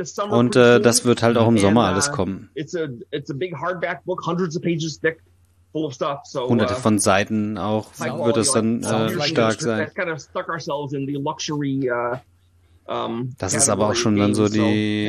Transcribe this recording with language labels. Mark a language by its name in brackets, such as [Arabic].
[German] Und das wird halt auch im Sommer alles kommen. [English] It's a big hardback book, hundreds of pages thick, full of stuff. So, [German] hunderte von Seiten auch wird es dann stark sein. [English] That's kind of stuck ourselves in the luxury. [German] Das ist aber auch schon dann so die